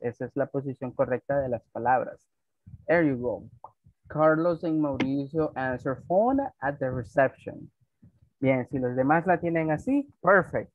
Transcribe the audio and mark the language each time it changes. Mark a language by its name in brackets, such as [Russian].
[Spanish] Esa es la posición correcta de las palabras. [English] There you go. Carlos and Mauricio answer phone at the reception. [Spanish] Bien, si los demás la tienen así, perfect.